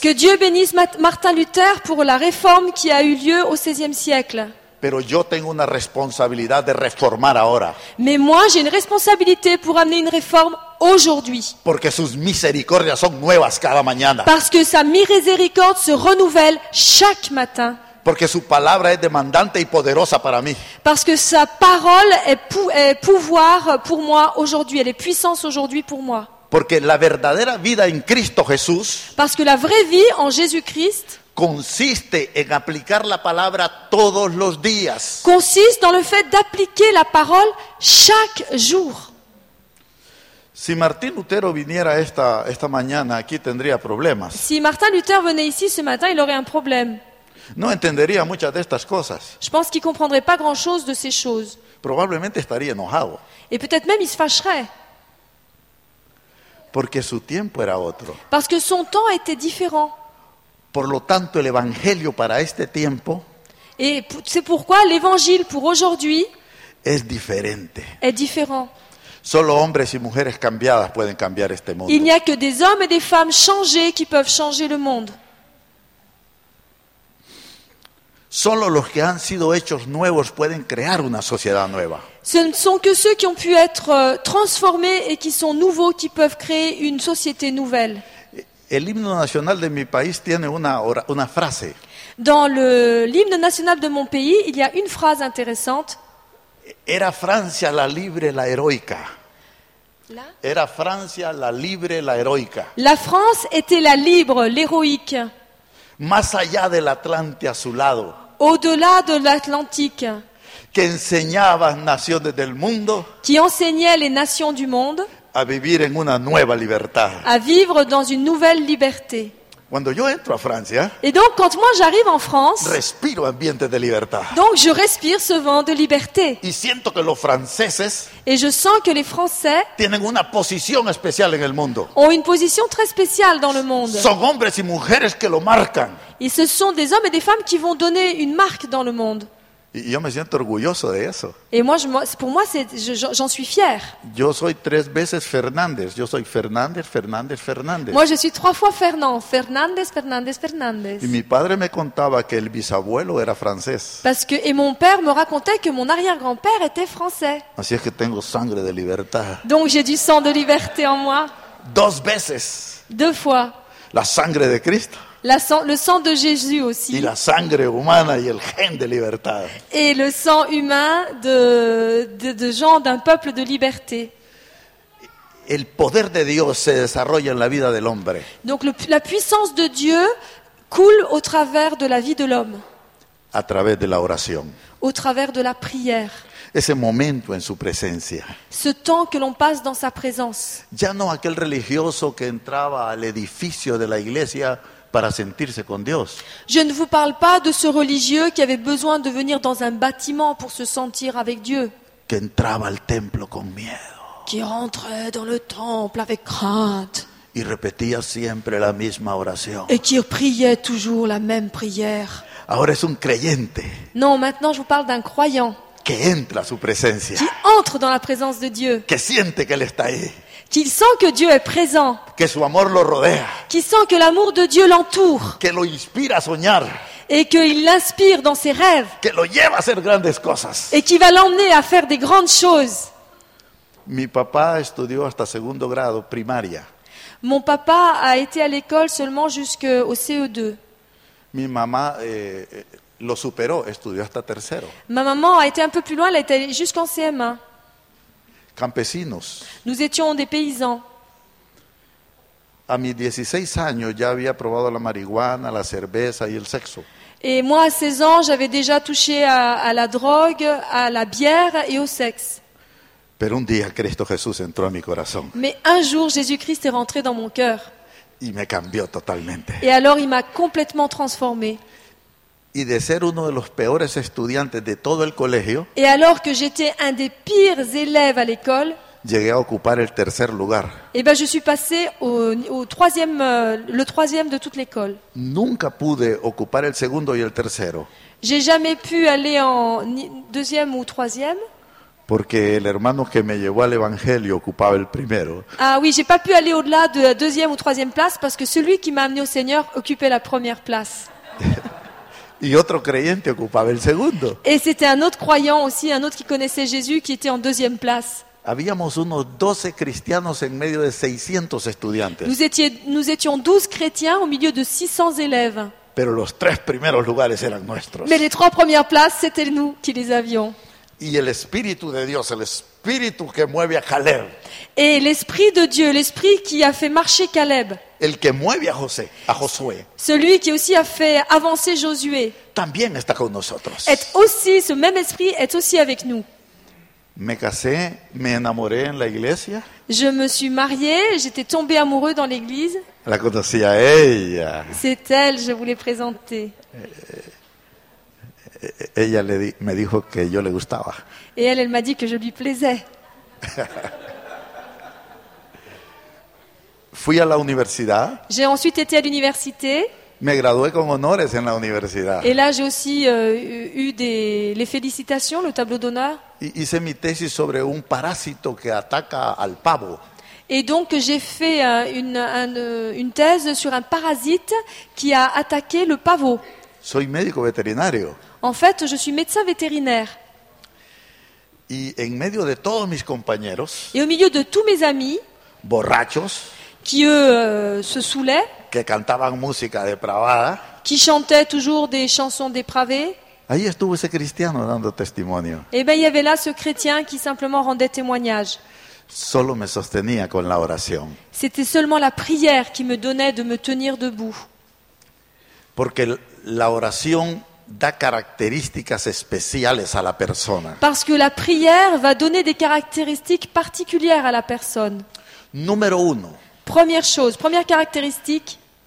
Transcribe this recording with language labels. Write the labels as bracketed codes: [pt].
[fr] Que Dieu bénisse Martin Luther pour la réforme qui a eu lieu au 16e siècle. [es] Pero yo tengo una responsabilidad de reformar ahora. [fr] Mais moi j'ai une responsabilité pour amener une réforme aujourd'hui. [es] Porque sus misericordias son nuevas cada mañana. [fr] Parce que sa miséricorde se renouvelle chaque matin. [es] Porque su palabra es demandante y poderosa para mí. [fr] Parce que sa parole est pouvoir pour moi aujourd'hui, elle est puissance aujourd'hui pour moi. [es] Porque la verdadera vida en Cristo Jesús. [fr] Parce que la vraie vie en Jésus-Christ [es] consiste en aplicar la palabra todos los días. [fr] Consiste dans le fait d'appliquer la parole chaque jour. [es] Si Martín Lutero viniera esta mañana aquí tendría problemas. [fr] Si Martin Luther venait ici ce matin, il aurait un problème. [es] No entendería muchas de estas cosas. [fr] Je pense qu'il comprendrait pas grand-chose de ces choses. [es] Probablemente estaría enojado. [fr] Et peut-être même il se fâcherait. [es] Porque su tiempo era otro. [fr] Parce que son temps était différent. [es] Por lo tanto, el evangelio para este tiempo. [fr] Et c'est pourquoi l'évangile pour aujourd'hui [es] es diferente. [fr] Est différent. [es] Solo hombres y mujeres cambiadas pueden cambiar este mundo. [fr] Il n'y a que des hommes et des femmes changés qui peuvent changer le monde. [es] Solo los que han sido hechos nuevos pueden crear una sociedad nueva. [fr] Ce ne sont que ceux qui ont pu être transformés et qui sont nouveaux qui peuvent créer une société nouvelle. [es] El himno nacional de mi país tiene una frase. [fr] Dans l'hymne national de mon pays, il y a une phrase intéressante. [es] Era Francia la libre, la heroica. [fr] Là? [es] Era Francia la libre, la heroica. [fr] La France était la libre, l'héroïque. [es] Más allá del Atlante azulado. [fr] Au-delà de l'Atlantique. [es] Que enseñaba naciones del mundo. [fr] Qui enseignait les nations du monde. [es] A vivir en una nueva libertad. [fr] À vivre dans une nouvelle liberté. [es] Cuando yo entro a Francia. [fr] Et donc quand moi j'arrive en France. [es] Respiro ambiente de libertad. [fr] Donc je respire ce vent de liberté. [es] Y siento que los franceses. [fr] Et je sens que les Français. [es] Tienen una posición especial en el mundo. [fr] Ont une position très spéciale dans le monde. [es] Son hombres y mujeres que lo marcan. [fr] Et ce sont des hommes et des femmes qui vont donner une marque dans le monde. [es] Y yo me siento orgulloso de eso. [fr] Et moi, j'en suis fier. [es] Yo soy tres veces Fernández. Yo soy Fernández, Fernández, Fernández. [fr] Moi, je suis trois fois Fernand. [es] Fernández, Fernández, Fernández. Y mi padre me contaba que el bisabuelo era francés. [fr] Parce que, et mon père me racontait que mon arrière-grand-père était français. [es] Así es que tengo sangre de libertad. [fr] Donc, j'ai du sang de liberté en moi. [es] Dos veces. [fr] Deux fois. [es] La sangre de Cristo. [fr] Le sang de Jésus aussi. [es] Y la sangre humana y el gen de libertad. [fr] Et le sang humain de gens d'un peuple de liberté. [es] El poder de Dios se desarrolla en la vida del hombre. [fr] Donc la puissance de Dieu coule au travers de la vie de l'homme. [es] A través de la oración. [fr] Au travers de la prière. [es] Ese momento en su presencia. [fr] Ce temps que l'on passe dans sa présence. [es] Ya no aquel religioso que entraba al edificio de la iglesia para sentirse con Dios. [fr] Je ne vous parle pas de ce religieux qui avait besoin de venir dans un bâtiment pour se sentir avec Dieu. [es] Que entraba al templo con miedo. [fr] Qui rentrait dans le temple avec crainte. [es] Y repetía siempre la misma oración. [fr] Et qui priait toujours la même prière. [es] Ahora es un creyente. [fr] Non, maintenant je vous parle d'un croyant. [es] Que entra a su presencia. [fr] Qui entre dans la présence de Dieu. [es] Que siente que él está ahí. [fr] Qu'il sent que Dieu est présent. [es] Que su amor lo rodea. [fr] Qu'il sent que l'amour de Dieu l'entoure. [es] Que lo inspira a soñar. [fr] Et qu'il l'inspire dans ses rêves. [es] Que lo lleva a hacer grandes cosas. [fr] Et qui va l'emmener à faire des grandes choses. [es] Mi papá estudió hasta segundo grado, primaria. [fr] Mon papa a été à l'école seulement jusqu'au CE2. [es] Mi mamá lo superó, estudió hasta tercero. [fr] Ma maman a été un peu plus loin, elle est allée jusqu'en CM1. [es] Campesinos. [fr] Nous étions des paysans. [es] A mis 16 años ya había probado la marihuana, la cerveza y el sexo. [fr] Et moi à 16 ans, j'avais déjà touché à la drogue, à la bière et au sexe. [es] Pero un día Cristo Jesús entró a mi corazón. [fr] Mais un jour Jésus-Christ est rentré dans mon cœur. [es] Y me cambió totalmente. [fr] Et alors il m'a complètement transformé. [es] Y de ser uno de los peores estudiantes de todo el colegio. [fr] Et alors que j'étais un des pires élèves à l'école. [es] Llegué a ocupar el tercer lugar. [fr] Et ben je suis passé au troisième, le troisième de toute l'école. [es] Nunca pude ocupar el segundo y el tercero. [fr] J'ai jamais pu aller en deuxième ou troisième. [es] Porque el hermano que me llevó al evangelio ocupaba el primero. [fr] Ah oui, j'ai pas pu aller au-delà de la deuxième ou troisième place parce que celui qui m'a amené au Seigneur occupait la première place. [es] Y otro creyente ocupaba el segundo. [fr] Et c'était un autre croyant aussi, un autre qui connaissait Jésus qui était en deuxième place. [es] Habíamos unos 12 cristianos en medio de 600 estudiantes. [fr] Nous étions 12 chrétiens au milieu de 600 élèves. [es] Pero los tres primeros lugares eran nuestros. [fr] Mais les trois premières places, c'était nous qui les avions. [es] Y el Espíritu de Dios, el Espíritu que mueve a Caleb. [fr] Et l'Esprit de Dieu, l'Esprit qui a fait marcher Caleb. [es] El que mueve a José, a Josué. [fr] Celui qui aussi a fait avancer Josué. [es] También está con nosotros. [fr] Est aussi, ce même Esprit est aussi avec nous. [es] Me casé, me enamoré en la iglesia. [fr] Je me suis marié, j'étais tombé amoureux dans l'église. [es] La conocí a ella. [fr] C'est elle, je voulais présenter. [es] Ella me dijo que yo le gustaba. [fr] Et elle m'a dit que je lui plaisais. [es] Fui a la universidad. [fr] J'ai ensuite été à l'université. [es] Me gradué con honores en la universidad. [fr] Et là, j'ai aussi eu les félicitations, le tableau d'honneur. [es] Hice mi tesis sobre un parásito que ataca al pavo. [fr] Et donc, j'ai fait une thèse sur un parasite qui a attaqué le pavot. [es] Soy médico veterinario. [fr] En fait, je suis médecin vétérinaire. [es] Y en medio de todos mis compañeros. [fr] Et au milieu de tous mes amis. [es] Borrachos. [fr] Qui eux se saoulaient. [es] Que cantaban música depravada. [fr] Qui chantaient toujours des chansons dépravées. [es] Ahí estuvo ese cristiano dando testimonio. [fr] Et bien, il y avait là ce chrétien qui simplement rendait témoignage. [es] Solo me sostenía con la oración. [fr] C'était seulement la prière qui me donnait de me tenir debout. [es] Porque la oración da características especiales a la persona. [fr] Parce que la prière va donner des caractéristiques particulières à la personne. [es] Número uno. [fr] Première chose, première caractéristique.